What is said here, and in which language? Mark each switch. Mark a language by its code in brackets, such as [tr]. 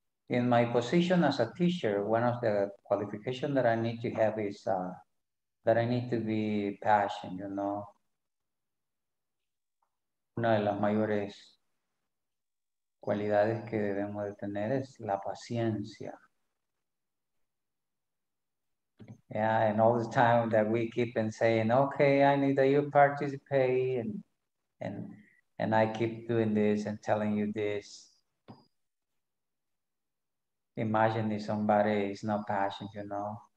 [en] In my position as a teacher, one of the qualifications that I need to have is that I need to be passionate, you know. [es] Una de las mayores cualidades que debemos de tener es la paciencia. [en] Yeah, and all the time that we keep and saying, okay, I need that you participate, and I keep doing this and telling you this. Imagine if somebody is not passionate, you know.